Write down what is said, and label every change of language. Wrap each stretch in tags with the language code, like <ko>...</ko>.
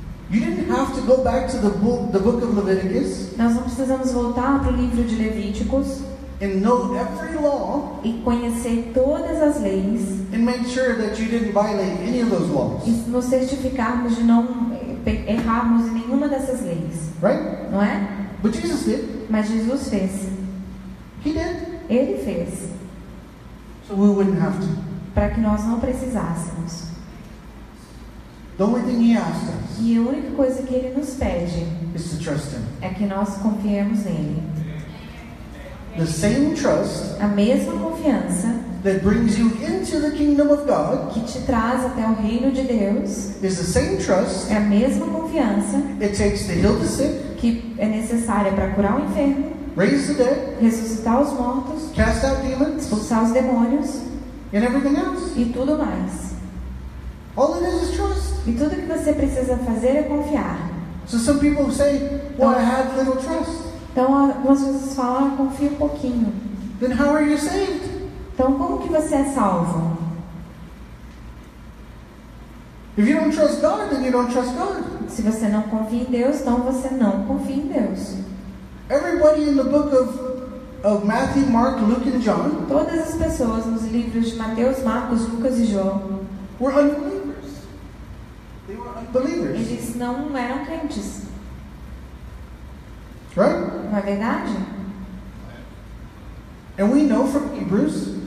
<en>You didn't have to go back to the book of Leviticus.</en> <pt>Nós não precisamos voltar para o livro de Levíticos.</pt> <en>And know every law.</en> <pt>E conhecer todas as leis.</pt> <en>And make sure that you didn't violate any of those laws.</en> <pt>E nos certificarmos de não errarmos em nenhuma dessas leis.</pt> <en>Right?</en> <pt>Não é?</pt> <en>But Jesus did.</en> <pt>Mas Jesus fez.</pt> <en>He did.</en> <pt>Ele fez.</pt> <en>So we wouldn't have to.</en> <pt>Para que nós não precisássemos.</pt> <en>The only thing he asked us.</en> <pt>E a única coisa que ele nos pede.</pt> <en>Is to trust him.</en> <pt>É que nós confiemos nele.</pt> <en>The same trust.</en> <pt>A mesma confiança.</pt> <en>That brings you into the kingdom of God.</en> <pt>Que te traz até o reino de Deus.</pt> <en>Is the same trust.</en> <pt>É a mesma confiança.</pt> <en>It takes to heal the sick.</en> <pt>Que é necessária para curar o enfermo.</pt> <en>Raise the dead.</en> <pt>Ressuscitar os mortos.</pt> <en>Cast out demons.</en> <pt>Expulsar os demônios.</pt> <en>And everything else.</en> <pt>E tudo mais.</pt> <en>All it is trust.</en> <pt>E tudo que você precisa fazer é confiar.</pt> <en>So some people say, well, I have little trust.</en> <pt>Então algumas pessoas falam, confio um pouquinho.</pt> <en>Then how are you saved?</en> <pt>Então como que você é salvo?</pt> <en>If you don't trust God, then you don't trust God.</en> <pt>Se você não confia em Deus, então você não confia em Deus.</pt> <en>Everybody in the book of Matthew, Mark, Luke and John.</en> <pt>Todas as pessoas nos livros de Mateus, Marcos, Lucas e João.</pt> <en>Were unbelievers. They were unbelievers.</en> <pt>Eles não eram crentes.</pt> <en>Right?</en> <pt>Não é verdade?</pt> <en>And we know from Hebrews.</en>